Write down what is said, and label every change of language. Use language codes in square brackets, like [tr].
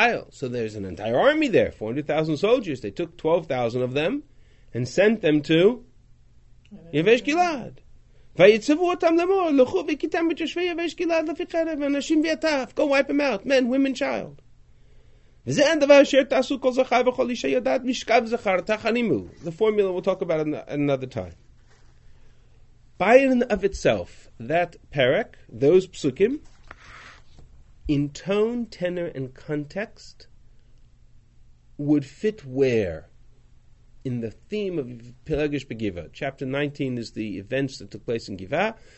[en] So there's an entire army there, 400,000 soldiers. They took 12,000 of them and sent them to Yavesh Gilad. [he] ויצבו אותם למור, לכו וכיתם את יושבי יבש גלעד לפי חרב, אנשים ויתף, [en] go wipe them out, men, women, child. [he] וזה הדבר אשר תעשו כל זכר וכל אישה יודעת, משכב זכר, תחנימו. [en] The formula we'll talk about another time. By and of itself, that perek, those psukim, in tone, tenor, and context, would fit where? In the theme of Pelegish Begiva. Chapter 19 is the events that took place in Givah.